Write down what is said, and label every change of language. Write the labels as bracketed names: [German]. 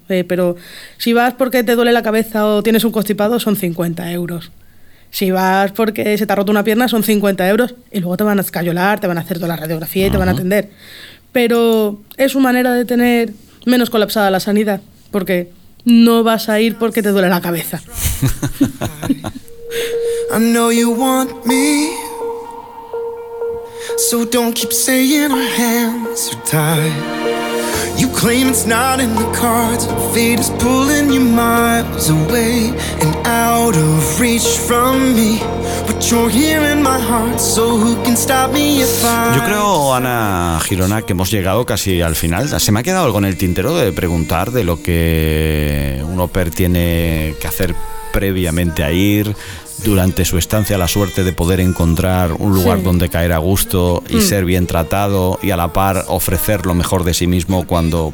[Spanish] Pero si vas porque te duele la cabeza o tienes un constipado, son 50 euros. Si vas porque se te ha roto una pierna, son 50 euros. Y luego te van a escayolar, te van a hacer toda la radiografía y uh-huh. te van a atender. Pero es su manera de tener menos colapsada la sanidad, porque no vas a ir porque te duele la cabeza. [English] I know you want me, so don't keep saying our hands are tied. You claim it's not in the cards, but fate is pulling you miles away and out of reach from me. But you're here in my heart, so who can stop me if I... [Spanish] Yo creo, Ana Girona, que hemos llegado casi al final. Se me ha quedado algo en el tintero de preguntar de lo que un au pair tiene que hacer previamente a ir. Durante su estancia, la suerte de poder encontrar un lugar sí. donde caer a gusto y ser bien tratado y a la par ofrecer lo mejor de sí mismo cuando...